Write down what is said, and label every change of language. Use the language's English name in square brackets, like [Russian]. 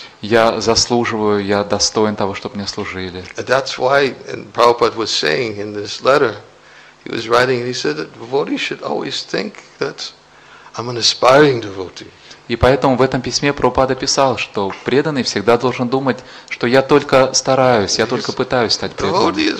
[Russian] Я заслуживаю, я достоин того, чтобы мне служили. [English] That's why Prabhupada was saying in this letter, he was writing, and he said that devotee should always think that I'm an aspiring devotee. [Russian] И поэтому в этом письме Прабхупада писал, что преданный всегда должен думать, что я только стараюсь, я только пытаюсь стать преданным.